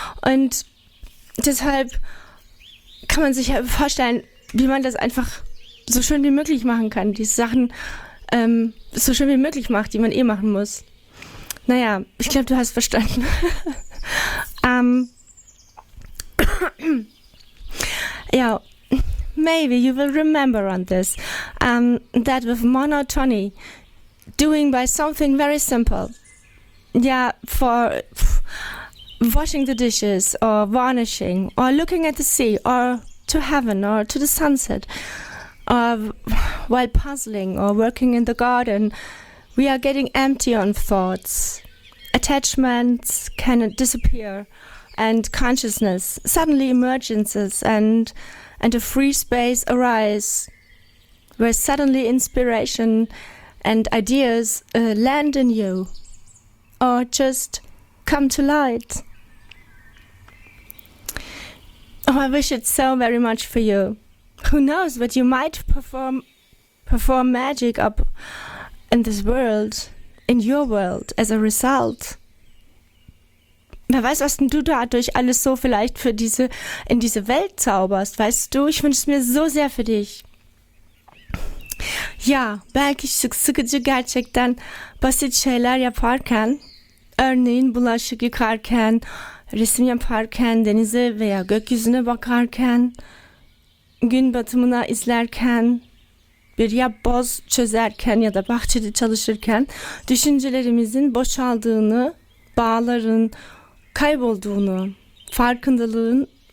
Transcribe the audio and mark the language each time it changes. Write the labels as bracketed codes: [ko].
[de] Und deshalb kann man sich ja vorstellen, wie man das einfach so schön wie möglich machen kann. Diese Sachen so schön wie möglich macht, die man eh machen muss. Naja, ich glaube, du hast verstanden. [en] Ja, maybe you will remember on this. That with monotony, doing by something very simple. Yeah, for washing the dishes or varnishing or looking at the sea or to heaven or to the sunset or while puzzling or working in the garden, we are getting empty on thoughts. Attachments can disappear and consciousness suddenly emerges and a free space arises where suddenly inspiration and ideas land in you or just come to light. Oh, I wish it so very much for you. Who knows what you might perform magic up in this world, in your world, as a result. [de] Wer weiß, was denn du dadurch alles so vielleicht für in diese Welt zauberst, weißt du? Ich wünsche es mir so sehr für dich. [tr] Ja, belki sıkıcı gerçekten basit şeyler yaparken, örneğin bulaşık yıkarken, resim yaparken, denize veya gökyüzüne bakarken, gün batımına izlerken, bir yapboz çözerken ya da bahçede çalışırken düşüncelerimizin boşaldığını, bağların kaybolduğunu, farkındalığın